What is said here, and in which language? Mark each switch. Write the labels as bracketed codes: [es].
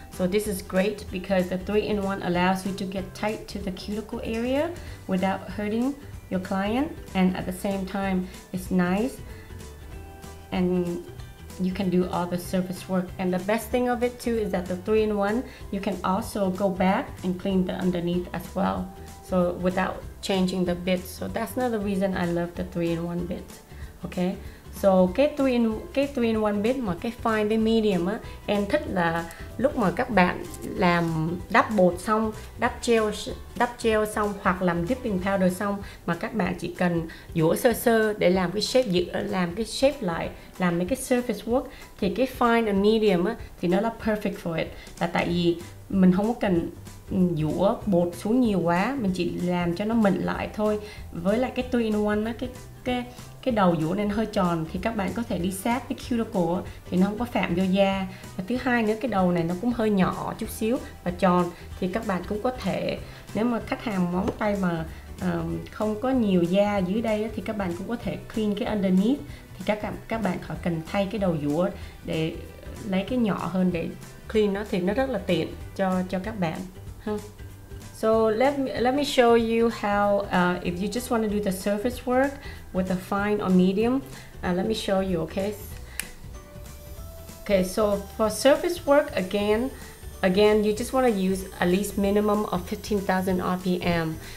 [en] So this is great because the 3-in-1 allows you to get tight to the cuticle area without hurting your client, and at the same time it's nice and you can do all the surface work. And the best thing of it too is that the 3-in-1, you can also go back and clean the underneath as well, so without changing the bit. So that's another reason I love the 3-in-1 bit. [vi] Okay, so cái 3-in-1 bit mà cái fine với medium á, em thích là lúc mà các bạn làm đắp bột xong, đắp gel xong hoặc làm dipping powder xong, mà các bạn chỉ cần dũa sơ sơ để làm cái shape lại, làm mấy cái [en] surface work, [vi] thì cái [en] fine and medium [vi] á, thì nó là [en] perfect for it. [vi] Là tại vì mình không có cần dũa bột xuống nhiều quá, mình chỉ làm cho nó mịn lại thôi. Với lại cái 3-in-1 á, cái đầu dũa nên hơi tròn thì các bạn có thể đi sát cái cuticle thì nó không có phạm vô da, và thứ hai nữa cái đầu này nó cũng hơi nhỏ chút xíu và tròn, thì các bạn cũng có thể, nếu mà khách hàng móng tay mà không có nhiều da dưới đây thì các bạn cũng có thể clean cái underneath, thì các bạn khỏi cần thay cái đầu dũa để lấy cái nhỏ hơn để clean nó, thì nó rất là tiện cho các bạn. [en] So let me show you how if you just want to do the surface work with a fine or medium, let me show you. Okay, so for surface work, again you just want to use at least minimum of 15,000 RPM.